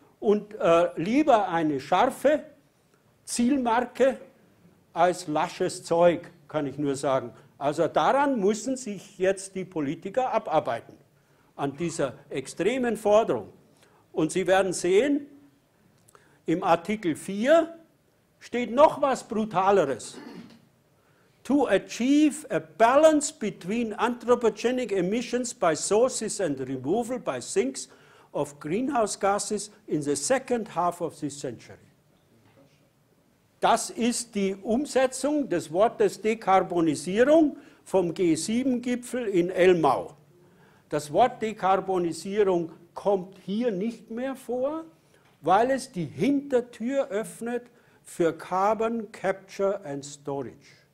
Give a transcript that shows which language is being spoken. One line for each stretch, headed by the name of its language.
German: Und lieber eine scharfe Zielmarke als lasches Zeug, kann ich nur sagen. Also daran müssen sich jetzt die Politiker abarbeiten, an dieser extremen Forderung. Und Sie werden sehen, im Artikel 4 steht noch was Brutaleres.
English: to achieve a balance between anthropogenic emissions by sources and removal by sinks of greenhouse gases in the second half of this century.
German: Das ist die Umsetzung des Wortes Dekarbonisierung vom G7-Gipfel in Elmau. Das Wort Dekarbonisierung kommt hier nicht mehr vor, weil es die Hintertür öffnet für Carbon Capture and Storage.